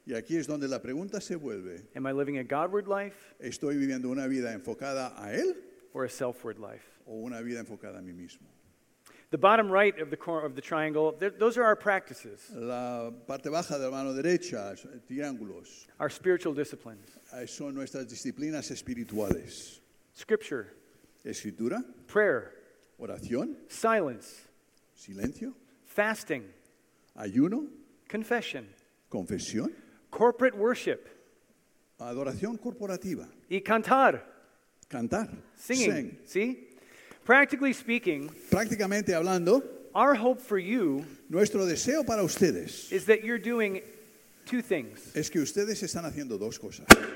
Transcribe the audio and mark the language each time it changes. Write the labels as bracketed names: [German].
[Spanish] Y aquí es donde la pregunta se vuelve. [English] Am I living a Godward life? [Spanish] ¿Estoy viviendo una vida enfocada a él? [English] Or a self-ward life? [Spanish] ¿O una vida enfocada a mí mismo? [English] The bottom right of the corner of the triangle, those are our practices. [Spanish] La parte baja de la mano derecha, triángulos. [English] Our spiritual disciplines. [Spanish] Son nuestras disciplinas espirituales. [English] Scripture. [Spanish] Escritura. [English] Prayer. [Spanish] Oración. [English] Silence. [Spanish] Silencio. [English] Fasting. [Spanish] Ayuno. [English] Confession. [Spanish] Confesión. [English] Corporate worship. [Spanish] Adoración corporativa. Y cantar. Cantar. [English] Singing. Sing. See? Practically speaking. [Spanish] Prácticamente hablando. [English] Our hope for you. [Spanish] Nuestro deseo para ustedes. [English] Is that you're doing two things. [Spanish] Es que ustedes están haciendo dos cosas.